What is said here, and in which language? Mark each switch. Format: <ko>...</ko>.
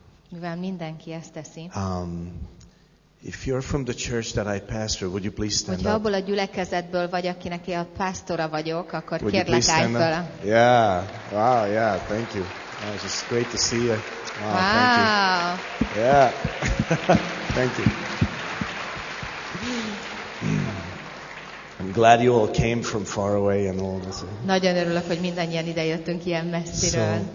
<hu>Mivel mindenki ezt teszi.</hu> <en>If you're from the church that I pastor, would you please stand up?</en> <hu>Abból a gyülekezetből vagy, akinek én a pásztora vagyok, akkor</hu> <en>would</en> <hu>kérlek, állj fel.</hu> <en>Yeah. Wow, yeah, thank you. Oh, it's just great to see you. Wow. Thank you. Yeah. Thank you. I'm glad you all came from far away and all this.</en> <hu>Nagyon örülök, hogy mindannyian ide jöttünk ilyen messziről.</hu>